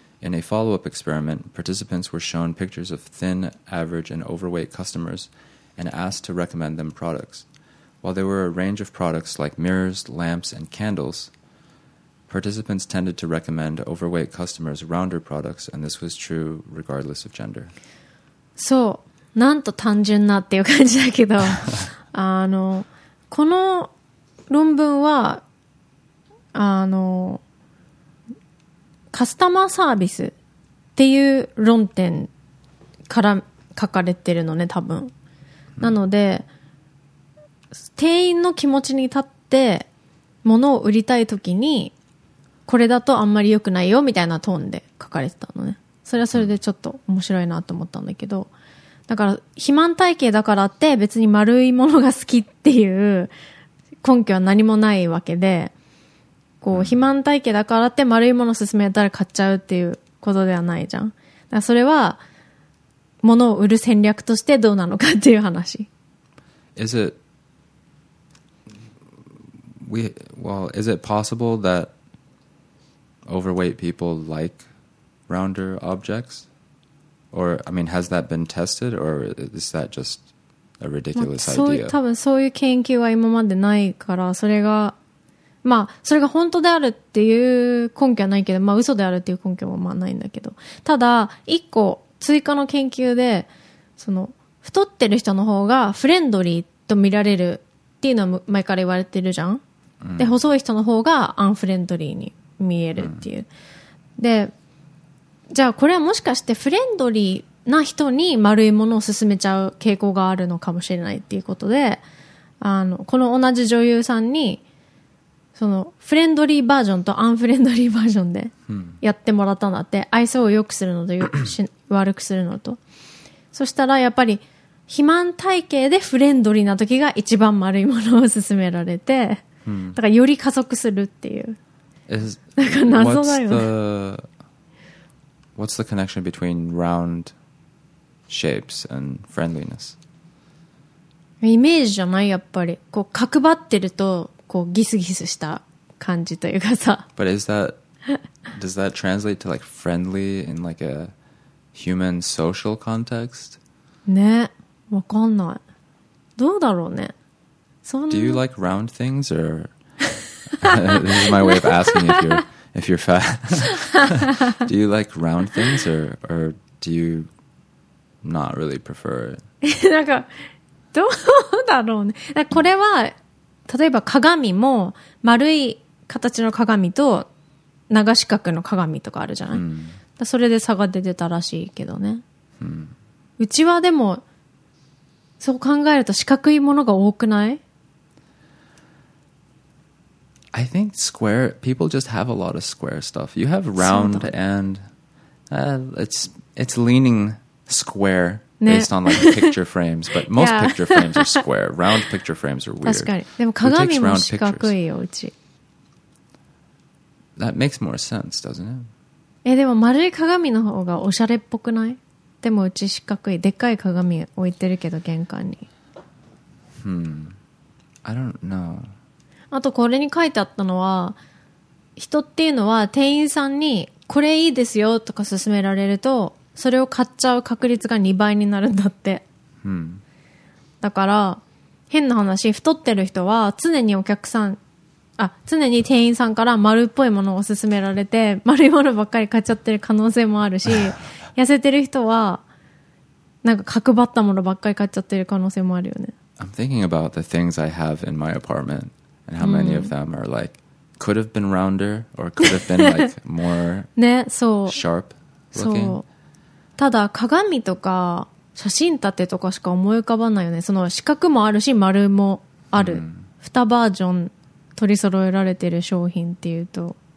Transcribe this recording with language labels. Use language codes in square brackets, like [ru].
[en] In a follow-up experiment, participants were shown pictures of thin, average, and overweight customers and asked to recommend them products. While there were a range of products like mirrors, lamps, and candles, participants tended to recommend overweight customers rounder products, and this was true regardless of gender. [ja] そう、なんと単純なっていう感じだけど、この論文は、カスタマーサービスっていう論点から書かれてるのね多分。なので、うん、店員の気持ちに立って物を売りたいときにこれだとあんまり良くないよみたいなトーンで書かれてたのね。それはそれでちょっと面白いなと思ったんだけど、だから肥満体型だからって別に丸いものが好きっていう根拠は何もないわけで、こう肥満体型だからって丸いものを勧めたら買っちゃうっていうことではないじゃん。だからそれは物を売る戦略としてどうなのかっていう話。 [en] Is it is it possible that overweight people like rounder objects? Or I mean, has that been tested? Or is that just a ridiculous idea? [ja] そう、多分そういう研究は今までないから、それがまあそれが本当であるっていう根拠はないけど、まあ嘘であるっていう根拠もまあないんだけど、ただ一個追加の研究で、その太ってる人の方がフレンドリーと見られるっていうのは前から言われてるじゃん、うん、で細い人の方がアンフレンドリーに見えるっていう、うん、でじゃあこれはもしかしてフレンドリーな人に丸いものを勧めちゃう傾向があるのかもしれないっていうことで、あのこの同じ女優さんにそのフレンドリーバージョンとアンフレンドリーバージョンでやってもらったんだって。愛想を良くするのと悪くするのと、そしたらやっぱり肥満体型でフレンドリーな時が一番丸いものを勧められて、だからより加速するっていう、なんか謎だよね。 [en] What's the connection between round shapes and friendliness? [ja] イメージじゃない、やっぱりこう角張ってるとこうギスギスした感じというかさ。 [en] But is that does that translate to like friendly in like a human social context? [ja] ね、わかんない。どうだろうね。そんな。 [en] Do you like round things or? This is my way of asking if you're. If you're fat, do you like round things or do you not really prefer it? [ja] なんかどうだろうね。だこれは例えば鏡も丸い形の鏡と長四角の鏡とかあるじゃない。だそれで差が出てたらしいけどね。うちはでもそう考えると四角いものが多くない？ [en] I think square people just have a lot of square stuff. You have round and it's leaning square based on like picture frames, but most picture frames are square. Round picture frames are weird. [ja] 確かに。でも鏡も四角いよ、うち。 [en] That makes more sense, doesn't it? [ja] でも丸い鏡の方がおしゃれっぽくない？でもうち四角い、でっかい鏡置いてるけど玄関に。 [en] I don't know. [ja] あとこれに書いてあったのは、人っていうのは店員さんにこれいいですよとか勧められるとそれを買っちゃう確率が2倍になるんだって、うん、だから変な話、太ってる人は常にお客さん、あ、常に店員さんから丸っぽいものを勧められて丸いものばっかり買っちゃってる可能性もあるし、痩せてる人はなんか角張ったものばっかり買っちゃってる可能性もあるよね。 [en] I'm thinking about the things I have in my apartmentAnd how many of them are like, could have been rounder or could have been like more 、 [ja] ね、そう [en] sharp looking? [ja] ただ鏡とか写真立てとかしか思い浮かばないよね。その四角もあるし丸もある、うん、2バージョン取り揃えられてる商品っていうと、